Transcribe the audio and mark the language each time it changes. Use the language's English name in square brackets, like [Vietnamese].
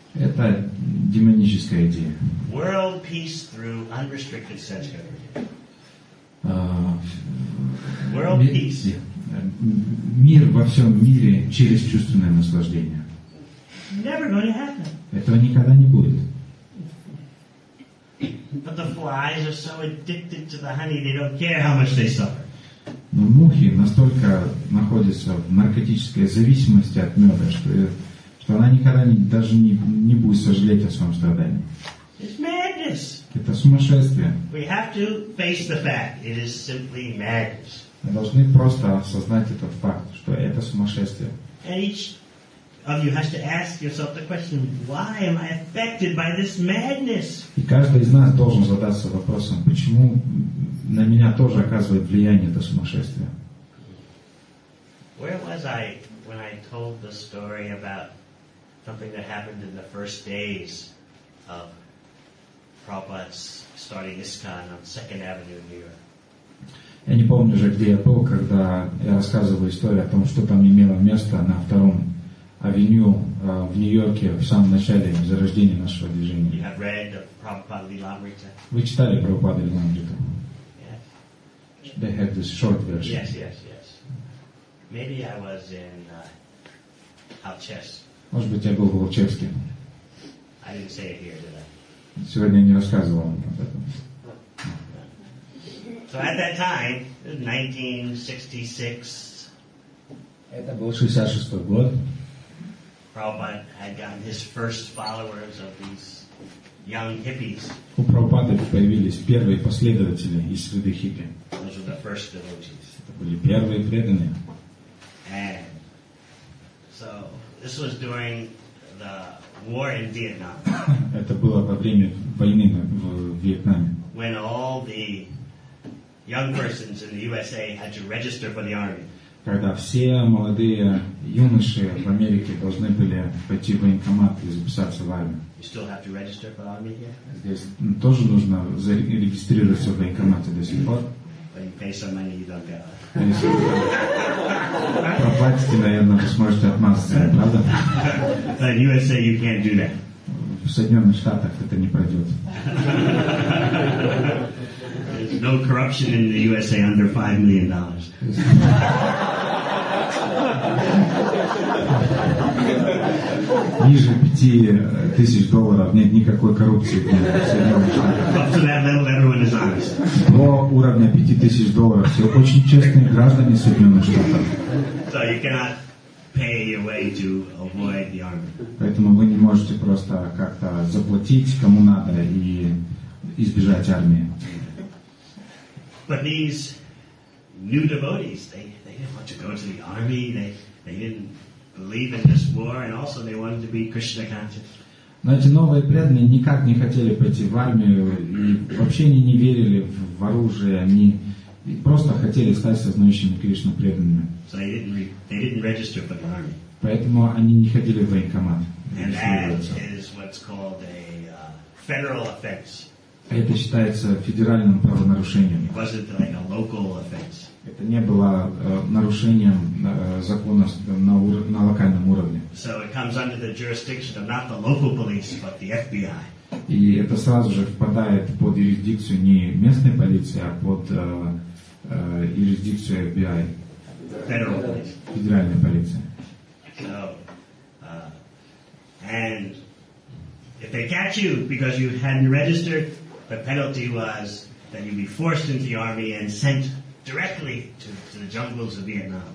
[Russian] Это демоническая идея. [English] World peace through unrestricted sense gratification. World peace. [Russian] Мир во всем мире через чувственное наслаждение. [English] Never going to happen. [Russian] Этого никогда не будет. [English] But the flies are so addicted to the honey, they don't care how much they suffer. [Russian] Но мухи настолько находятся в наркотической зависимости от меда, что она никогда даже не будет сожалеть о своем страдании. [English] It's madness. [Russian] Это сумасшествие. [English] We have to face the fact. It is simply madness. [Russian] Мы должны просто осознать этот факт, что это сумасшествие. [English] Of you has to ask yourself the question, why am I affected by this madness? [Russian] И каждый из нас должен задаться вопросом, почему на меня тоже оказывает влияние это сумасшествие? [English] Where was I when I told the story about something that happened in the first days of Prabhupada's starting ISKCON on 2nd Avenue in New York. [Russian] Я не помню уже, где я был, когда я рассказывал историю о том, что там имело место на 2nd Avenue в Нью-Йорке в самом начале зарождения нашего движения. [English] You have read the Prabhupada Lilamrita? [Russian] Вы читали Прабхупада Лиламриту? [English] Yes. They have this short version. Yes, yes, yes. Maybe I was in Alches. [Russian] Может быть, я был в Алчевске. [English] I didn't say it here, did I? [Russian] Сегодня я не рассказывал вам об этом. [English] So at that time, 1966. [Russian] Это был 66 год. [English] Prabhupada had gotten his first followers of these young hippies. [Russian] У Прабхупады появились первые последователи из среды хиппи. [English] Those were the first devotees. [Russian] Это были первые преданные. [English] And so this was during the war in Vietnam. [Russian] Это было во время войны в Вьетнаме. [English] When all the young persons in the USA had to register for the army. [Russian] Когда все молодые юноши в Америке должны были пойти в военкомат и записаться в армию. [English] You still have to register for the army here? [Russian] Здесь тоже нужно зарегистрироваться в военкомате до сих пор. [English] But you pay some money, you don't get it. [Russian] Проплатите, наверное, вы сможете отмазаться, правда? [English] But in USA you can't do that. [Russian] В Соединенных Штатах это не пройдет. [English] No corruption in the USA under $5 million. [Russian] Ниже $5,000 нет никакой коррупции. [English] Up to that level, everyone is honest. [Russian] До уровня $5,000 все очень честные граждане Соединенных Штатов. [English] So you cannot pay your way to avoid the army. [Russian] Поэтому вы не можете просто как-то заплатить кому надо и избежать армии. [English] But these new devotees, they didn't want to go to the army, they didn't believe in this war, and also they wanted to be Krishna conscious. [Russian] Но эти новые преданные никак не хотели пойти в армию, и вообще они не верили в оружие, они просто хотели стать сознающими Кришну преданными. [English] So they didn't register for the army. [Russian] Поэтому они не ходили в военкомат. [English] And that is what's called a federal offense. [Russian] Это считается федеральным правонарушением. [English] It wasn't like a local offense. [Russian] Это не было нарушением закона на локальном уровне. [English] So it comes under the jurisdiction of not the local police, but the FBI. [Russian] И это сразу же впадает под юрисдикцию не местной полиции, а под юрисдикцию FBI. [English] Federal police. [Russian] Федеральной полиции. [English] So, and if they catch you because you hadn't registered, the penalty was that you'd be forced into the army and sent directly to the jungles of Vietnam.